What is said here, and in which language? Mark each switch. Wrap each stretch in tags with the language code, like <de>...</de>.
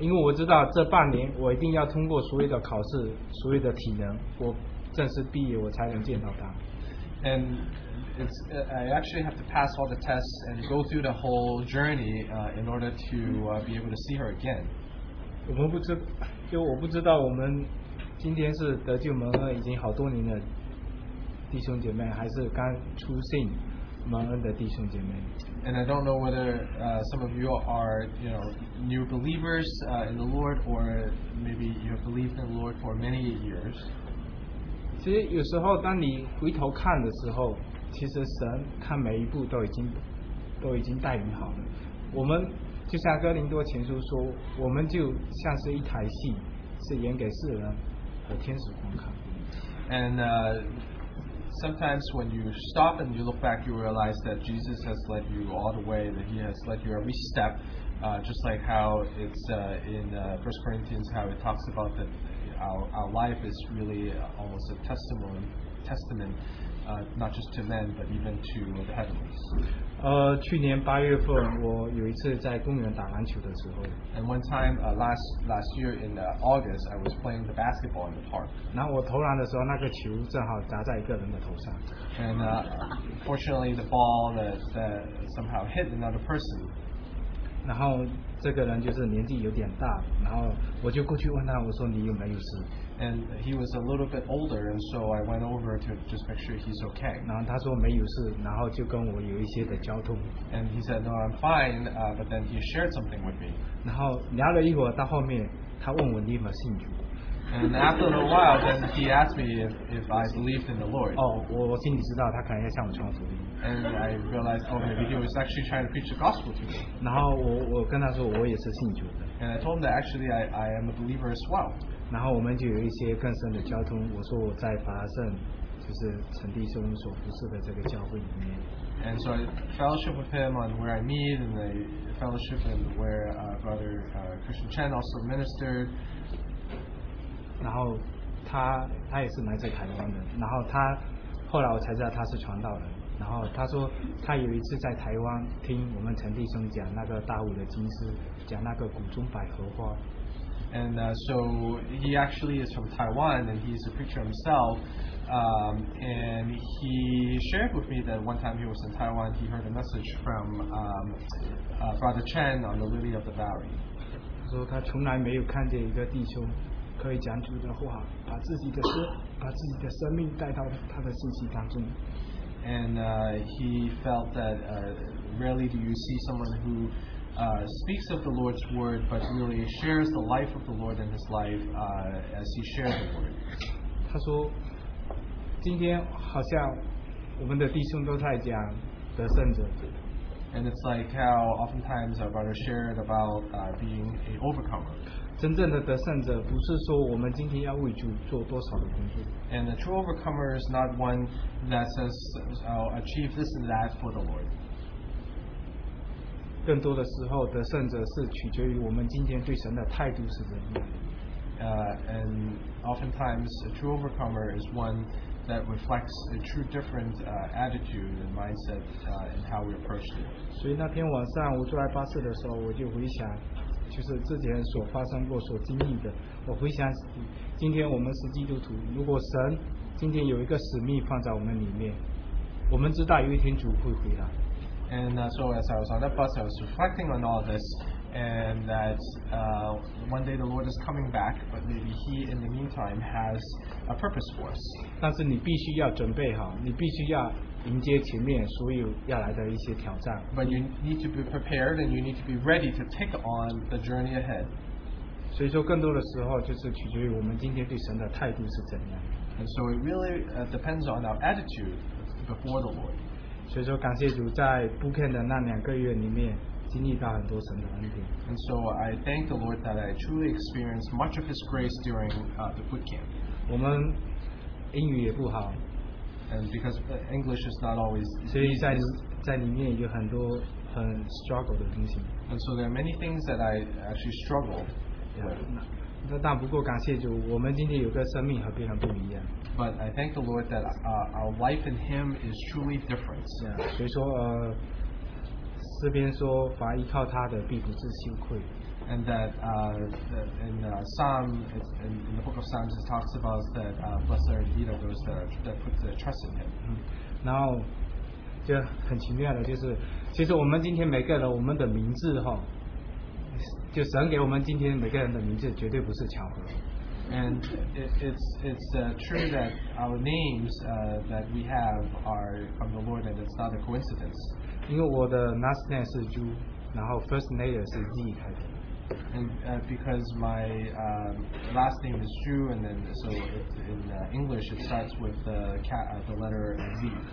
<zh>因为我知道这半年我一定要通过所有的考试，所有的体能，我正式毕业我才能见到他。</zh> <en>And it's, I actually have to pass all the tests and go through the whole journey in order to be able to see her again.</en> <zh>我们不知，就我不知道我们今天是得救蒙恩已经好多年的弟兄姐妹，还是刚出信蒙恩的弟兄姐妹。</zh> <en>And I don't know whether some of you are, you know, new believers in the Lord, or maybe you have believed in the Lord for many years.</en> <zh>其实有时候当你回头看的时候，其实神看每一步都已经带领好了。我们就像哥林多前书说，我们就像是一台戏，是演给世人和天使观看。</zh> <en>And sometimes when you stop and you look back, you realize that Jesus has led you all the way, that he has led you every step, just like how it's in 1 Corinthians, how it talks about that our life is really almost a testament, not just to men, but even to the heavens.</en> <zh>去年八月份，我有一次在公园打篮球的时候。</zh> <en>And one time last year in August, I was playing the basketball in the park.</en> <zh>然后我投篮的时候，那个球正好砸在一个人的头上。</zh> <en>And fortunately, the ball that somehow hit another person.</en> <zh>然后这个人就是年纪有点大，然后我就过去问他，我说你有没有事？</zh> <en>And he was a little bit older, and so I went over to just make sure he's okay.</en> <zh>然后他说没有事，然后就跟我有一些的交通。</zh> <en>And he said, no, I'm fine, but then he shared something with me.</en> <zh>然后聊了一会儿，到后面他问我你有没有信主。</zh> <en>And after a while, then he asked me if I believed in the Lord.</en> <zh>哦，我心里知道他可能要向我传福音。</zh> <en>And I realized, oh, maybe he was actually trying to preach the gospel to me.</en> <zh>然后我跟他说我也是信主的。</zh> <en>And I told him that actually I am a believer as well.</en> <zh>然后我们就有一些更深的交通。我说我在法圣，就是陈弟兄所服侍的这个教会里面。</zh> <en>And so I fellowship with him on where I meet, and I fellowship and where Brother Christian Chen also ministered.</en> <zh>然后他也是来自台湾的。然后他后来我才知道他是传道人。然后他说他有一次在台湾听我们陈弟兄讲那个大武的经师，讲那个谷中百合花。</zh> <en>And so he actually is from Taiwan, and he's a preacher himself. And he shared with me that one time he was in Taiwan, he heard a message from Brother Chen on the Lily of the Valley.</en> <zh>说他从来没有看见一个弟兄可以讲主的话，把自己的生命带到他的信息当中。</zh> <en>And he felt that rarely do you see someone who speaks of the Lord's word, but really shares the life of the Lord in his life as he shared the word.</en> <zh>他说，今天好像我们的弟兄都在讲得胜者。</zh> <en>And it's like how oftentimes our brother shared about being an overcomer.</en> <zh>真正的得胜者不是说我们今天要为主做多少的工作。</zh> <en>And a true overcomer is not one that says, "I'll achieve this and that for the Lord."</en> <zh>更多的时候，得胜者是取决于我们今天对神的态度是怎样。</zh> <en>And oftentimes, a true overcomer is one that reflects a true different attitude and mindset in how we approach it.</en> <zh>所以那天晚上我坐在巴士的时候，我就回想，就是之前所发生过、所经历的。我回想，今天我们是基督徒，如果神今天有一个使命放在我们里面，我们知道有一天主会回来。</zh> <en>And so as I was on that bus, I was reflecting on all this, and that one day the Lord is coming back, but maybe he in the meantime has a purpose for us.</en> <zh>但是你必须要准备好，你必须要迎接前面所有要来的一些挑战。</zh> <en>But you need to be prepared and you need to be ready to take on the journey ahead.</en> <zh>所以说更多的时候就是取决于我们今天对神的态度是怎样。</zh> <en>And so it really depends on our attitude before the Lord.</en> <zh>所以说感谢主在 Bukin 的那两个月里面经历到很多神的恩典。</zh> <en>And so I thank the Lord that I truly experienced much of His grace during the Bukin.</en> <zh>我们英语也不好。</zh> <en>And because English is not always easy.</en> <zh>所以在里面有很多很 struggle 的东西。</zh> <en>And so there are many things that I actually struggle with.</en> <zh>Yeah, 但不过感谢主我们今天有个生命和别人不一样。</zh> <en>But I thank the Lord that our life in Him is truly different.</en> <zh>Yeah, 所以说，诗篇说，凡依靠他的必不致羞愧。</zh> <en>and that in the book of Psalms it talks about that blessed are indeed those that put their trust in him.</en> <zh>Now 就很奇妙的就是其实我们今天每个人的名字就神给我们今天每个人的名字绝对不是巧合。</zh> <en>And it's true that our names that we have are from the Lord, and it's not a coincidence.</en> <zh>因为我的</zh> <en>last name</en> <zh>是 Zhu, 然后</zh> <en>first name</en> <zh>是 Z 开头。</zh> <en>And because my last name is Zhu, and then so in English it starts with the letter Z.</en>